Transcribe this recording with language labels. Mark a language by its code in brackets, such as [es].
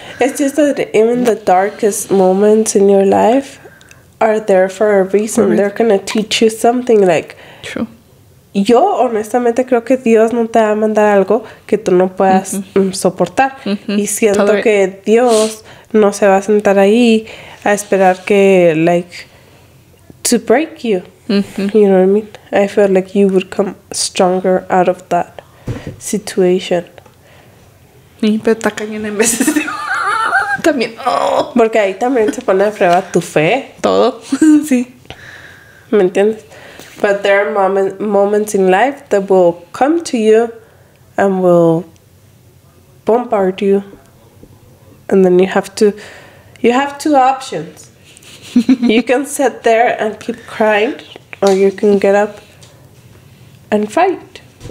[en] It's just that even the darkest moments in your life are there for a reason. Mm-hmm. They're going to teach you something, like... True. [es] Yo, honestamente, creo que Dios no te va a mandar algo que tú no puedas soportar. Mm-hmm. Y siento Tolerate. Que Dios no se va a sentar ahí a esperar que, like, [en] to break you. Mm-hmm. You know what I mean? I feel like you would come stronger out of that situation. [es] Y pero está cañón en veces. También. Oh. Porque ahí también se pone a prueba tu fe. Todo. Sí. ¿Me entiendes? [en] But there are moments in life that will come to you and will bombard you. And then you have two options. You can sit there and keep crying, or you can get up and fight.